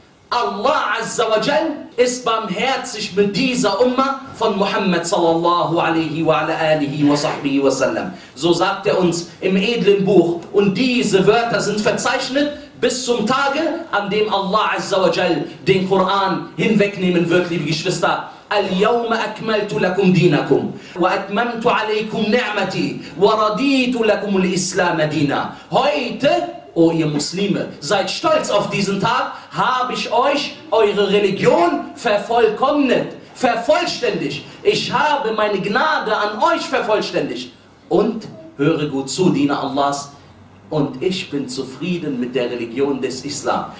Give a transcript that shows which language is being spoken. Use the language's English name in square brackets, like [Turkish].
[German] Allah Azza wa Jal ist barmherzig mit dieser Umma von Muhammad [Arabic] sallallahu alaihi wa ala alihi wa sahbihi wa sallam. [German] So sagt er uns im edlen Buch, und diese Wörter sind verzeichnet bis zum Tage, an dem Allah Azza wa Jal den Koran hinwegnehmen wird, liebe Geschwister. [Arabic] اليوم أكملت لكم دينكم وأتممت عليكم نعمتي ورديت لكم الإسلام دينا. [German] Heute, oh ihr Muslime, seid stolz auf diesen Tag, habe ich euch eure Religion vervollkommnet, vervollständigt. Ich habe meine Gnade an euch vervollständigt. Und höre gut zu, Diener Allahs, und ich bin zufrieden mit der Religion des Islam.